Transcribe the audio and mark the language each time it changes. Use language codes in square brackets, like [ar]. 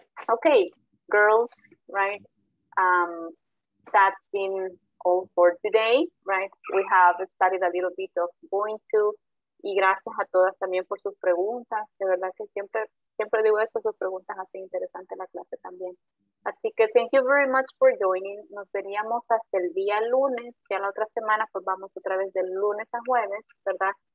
[en] Okay, girls, right? That's been all for today, right? We have studied a little bit of going to. [es] Y gracias a todas también por sus preguntas. De verdad que siempre, siempre digo eso, sus preguntas hacen interesante la clase también. Así que [en] thank you very much for joining. [es] Nos veríamos hasta el día lunes. Ya la otra semana pues vamos otra vez del lunes a jueves, ¿verdad?